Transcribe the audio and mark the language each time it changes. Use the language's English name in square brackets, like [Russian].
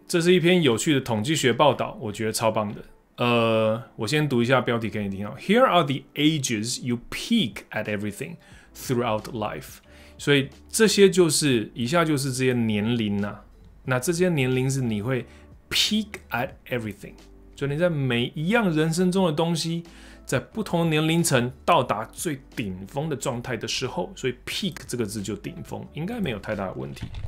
[Chinese] 这是一篇有趣的统计学报道，我觉得超棒的。我先读一下标题给你听哦。 [English] Here are the ages you peak at everything throughout life。 [Chinese] 所以这些就是以下就是这些年龄呐、啊。那这些年龄是你会 peak at everything，就你在每一样人生中的东西，在不同年龄层到达最顶峰的状态的时候，所以 peak 这个字就顶峰，应该没有太大的问题。